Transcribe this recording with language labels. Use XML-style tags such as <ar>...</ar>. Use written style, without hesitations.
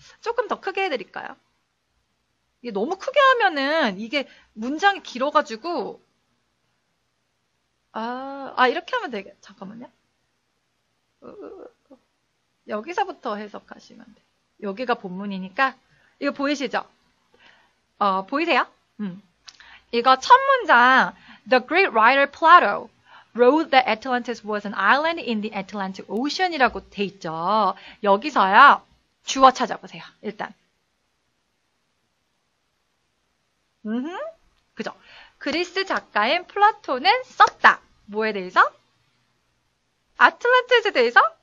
<ko>조금 더 크게 해드릴까요? 이게 너무 크게 하면은 이게 문장이 길어가지고 이렇게 하면 되게 잠깐만요. 여기서부터 해석하시면 돼. 여기가 본문이니까 이거 보이시죠? 보이세요? 이거 첫 문장</ko> <en>The great writer Plato wrote that Atlantis was an island in the Atlantic Ocean이라고</en> <ko>돼 있죠. 여기서요 주어 찾아보세요. 일단. 음흠. 그죠. 그리스 작가인 플라톤은 썼다. 뭐에 대해서? 아틀란티스에 대해서?</ko>